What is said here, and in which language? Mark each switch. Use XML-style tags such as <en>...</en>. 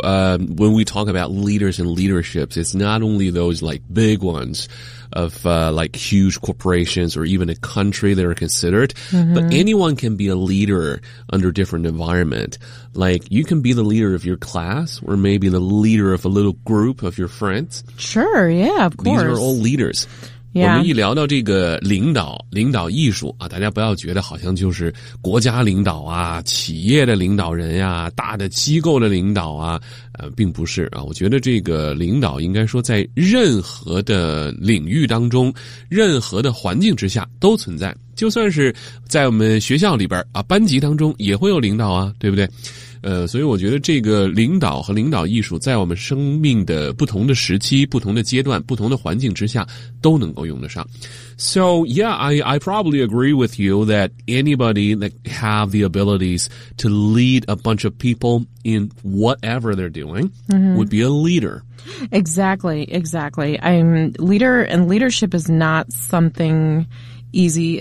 <en>When we talk about leaders and leaderships, it's not only those like big ones of like huge corporations or even a country that are considered, mm-hmm. but anyone can be a leader under different environment. Like you can be the leader of your class or maybe the leader of a little group of your friends. Sure, yeah, of course. These are all leaders. Yeah.</en> <zh>我们一聊到这个领导艺术啊，大家不要觉得好像就是国家领导啊，企业的领导人啊，大的机构的领导啊，并不是啊。我觉得这个领导应该说在任何的领域当中，任何的环境之下都存在，就算是在我们学校里边啊，班级当中也会有领导啊，对不对？所以我觉得这个领导和领导艺术在我们生命的不同的时期、不同的阶段、不同的环境之下都能够用得上。</zh> <en>So yeah, I probably agree with you that anybody that have the abilities to lead a bunch of people in whatever they're doing、 mm-hmm. would be a leader. Exactly. Leader and leadership is not something... easy.</en>